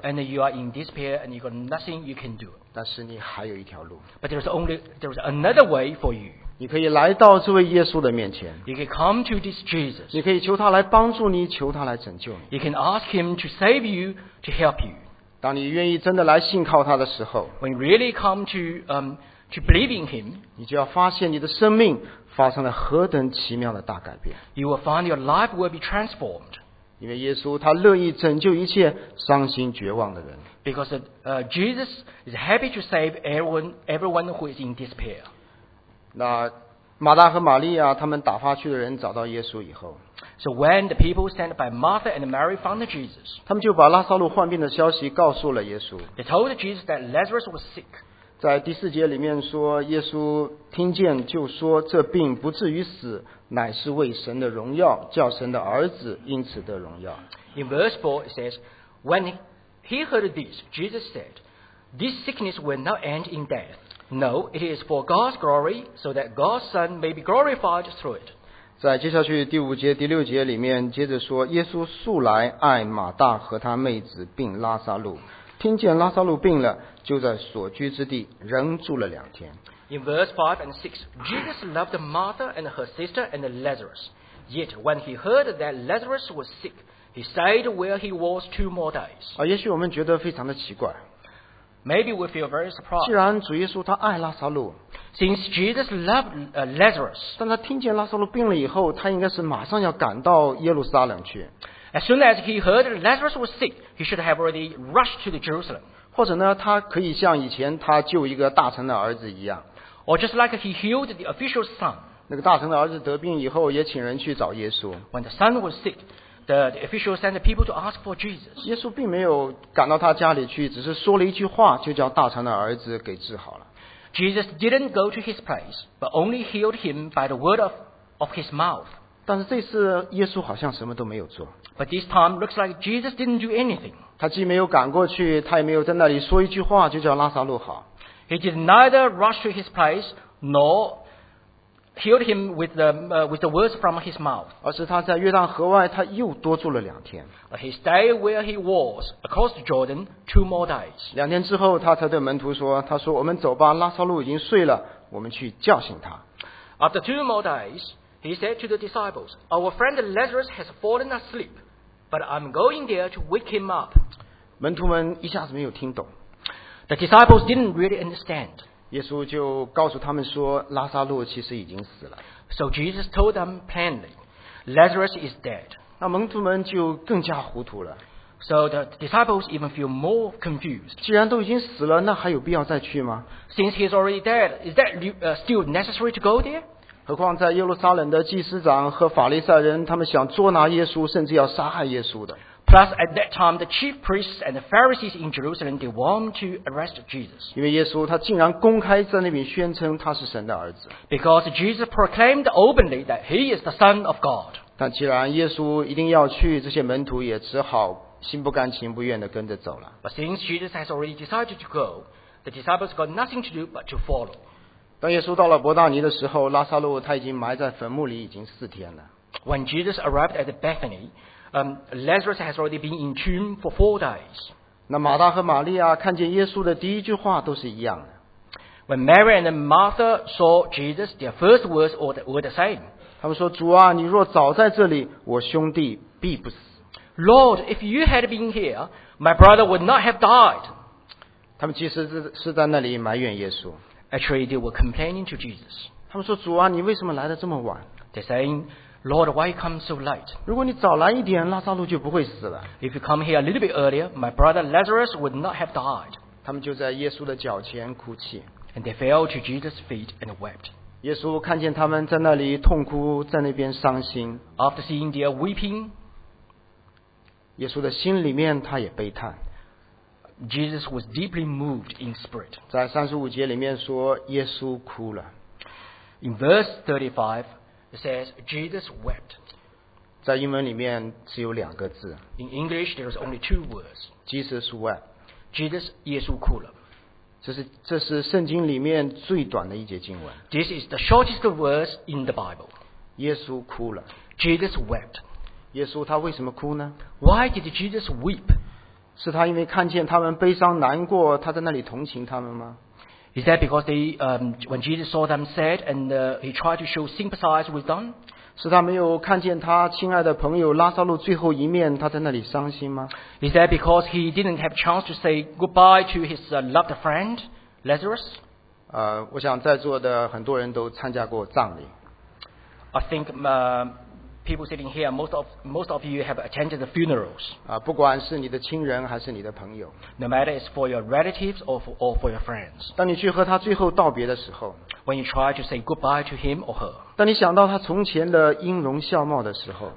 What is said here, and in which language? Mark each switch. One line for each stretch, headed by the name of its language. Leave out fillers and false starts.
English: And you are in despair, and you got nothing you can do.
Chinese: 但是你还有一条路。
English: But there's another way for you.
Chinese: 你可以来到这位耶稣的面前。
English: You can come to this Jesus.
Chinese: 你可以求他来帮助你，求他来拯救你。
English: You can ask him to save you, to help you.
Chinese: 当你愿意真的来信靠他的时候
English: ，When you really come to believe in him,
Chinese: 你就要发现你的生命发生了何等奇妙的大改变。
English: You will find your life will be transformed.
Chinese: 因为耶稣他乐意拯救一切伤心绝望的人。
English: Because Jesus is happy to save everyone who is in despair.
Chinese: 那马大和玛利亚他们打发去的人找到耶稣以后
English: So when the people sent by Martha and Mary found Jesus
Chinese: 他们就把拉撒路患病的消息告诉了耶稣
English: They told Jesus that Lazarus was sick
Chinese: 在第四节里面说耶稣听见就说这病不至于死乃是为神的荣耀叫神的儿子因此得荣耀
English: In verse 4 it says When he heard this Jesus said This sickness will not end in deathNo, it is for God's glory, so that God's Son may be glorified through it.
Chinese: 在接下去第五节、第六节里面，接着说，耶稣素来爱马大和他妹子，并拉撒路。听见拉撒路病了，就在所居之地仍住了两天。
English: In verse 5 and 6, Jesus loved Martha and her sister and Lazarus. Yet when he heard that Lazarus was sick, he stayed where he was two more days.
Chinese: 也许我们觉得非常的奇怪。
English: Maybe we feel very surprised.
Chinese: 既然主耶稣他爱拉撒路
English: Since Jesus loved Lazarus.
Chinese: 但他听见拉撒路病了以后他应该是马上要赶到耶路撒冷去
English: As soon as he heard Lazarus was sick, he should have already rushed to the Jerusalem.
Chinese: 或者呢他可以像以前他救一个大臣的儿子一样
English: Or just like he healed the official's son.
Chinese: 那个大臣的儿子得病以后也请人去找耶稣
English: When the son was sick,The official sent the people to ask for Jesus.
Chinese: 耶稣并没有赶到他家里去，只是说了一句话，就叫大臣的儿子给治好了。
English: Jesus didn't go to his place, but only healed him by the word of his mouth.
Chinese: 但是这次耶稣好像什么都没有做。
English: But this time looks like Jesus didn't do anything.
Chinese: 他既没有赶过去，他也没有在那里说一句话，就叫拉撒路好。
English: He did neither rush to his place nor. Healed him with the words from his mouth.
Chinese: 而是他在约旦河外，他又多住了两天。
English: He stayed where he was across Jordan two more days.
Chinese: 两天之后，他才对门徒说：“他说，我们走吧，拉撒路已经睡了，我们去叫醒他。”
English: After two more days, he said to the disciples, "Our friend Lazarus has fallen asleep, but I'm going there to wake him up."
Chinese: 门徒们一下子没有听懂。
English: The disciples didn't really understand.
Chinese: 耶稣就告诉他们说拉撒路其实已经死了
English: So Jesus told them plainly Lazarus is dead
Chinese: 那门徒们就更加糊涂了
English: So the disciples even feel more confused
Chinese: 既然都已经死了那还有必要再去吗
English: Since he's already dead Is that still necessary to go there?
Chinese: 何况在耶路撒冷的祭司长和法利赛人他们想捉拿耶稣甚至要杀害耶稣的
English: Plus at that time the chief priests and the Pharisees in Jerusalem they want to arrest Jesus.
Chinese: 因为耶稣他竟然公开在那边宣称他是神的儿子。
English: Because Jesus proclaimed openly that he is the son of God.
Chinese: 但既然耶稣一定要去这些门徒也只好心不甘情不愿地跟着走了。
English: But since Jesus has already decided to go, the disciples got nothing to do but to follow.
Chinese: 当耶稣到了伯大尼的时候，拉撒路他已经埋在坟墓里已经四天了。
English: When Jesus arrived at Bethany, Lazarus has already been in tomb for four days.
Chinese: 那马大和玛利亚看见耶稣的第一句话都是一样的。
English: When Mary and Martha saw Jesus, their first words were the same.
Chinese: 他们说：“主啊，你若早在这里，我兄弟必不死。”
English: Lord, if you had been here, my brother would not have died.
Chinese: 他们其实是在那里埋怨耶稣。
English: Actually, they were complaining to Jesus.
Chinese: 他们说主啊，你为什么来得这么晚
English: ？They're saying, Lord, why come so late?
Chinese: 如果你早来一点，拉撒路就不会死了。
English: If you come here a little bit earlier, my brother Lazarus would not have died.
Chinese: 他们就在耶稣的脚前哭泣。
English: And they fell to Jesus' feet and wept.
Chinese: 耶稣看见他们在那里痛哭，在那边伤心。
English: After seeing their weeping,
Chinese: 耶稣的心里面他也悲叹。
English: Jesus was deeply moved in spirit.
Chinese: 在三十五节里面说，耶稣哭了。
English: In verse 35, it says Jesus wept.
Chinese: 在英文里面只有两个字。
English: In English, there is only two words. Jesus wept.
Chinese: Jesus 耶稣哭了。这是圣经里面最短的一节经文。
English: This is the shortest verse in the Bible.
Chinese: 耶稣哭了。
English: Jesus wept.
Chinese: 耶稣他为什么哭呢？
English: Why did Jesus weep?
Chinese: 是他因为看见他们悲伤难过，他在那里同情他们吗？
English: Is that because they, when Jesus saw them sad and he tried to show sympathize with them?
Chinese: 是他没有看见他亲爱的朋友拉撒路最后一面，他在那里伤心吗？
English: Is that because he didn't have chance to say goodbye to his loved friend, Lazarus?
Chinese: 我想在座的很多人都参加过葬礼。
English: I think, people sitting here, most of you have attended the funerals.
Chinese: 不管是你的亲人还是你的朋友。
English: No matter it's for your relatives or for your friends.
Chinese: 当你去和他最后道别的时候。
English: When you try to say goodbye to him or her.
Chinese: 当你想到他从前的音容笑貌的时候。